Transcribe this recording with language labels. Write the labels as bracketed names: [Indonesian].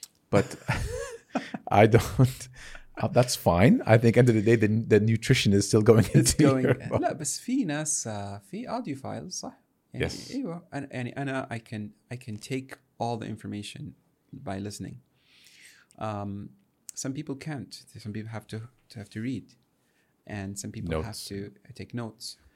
[English] But I don't... that's fine. I think end of the day, the nutrition is still going into your book. [Arabic] لا بس في ناس في audiophiles صح. [English] Yes. And I can take all the information by listening. Some people can't. Some people have to read, and some people notes. Have to take notes.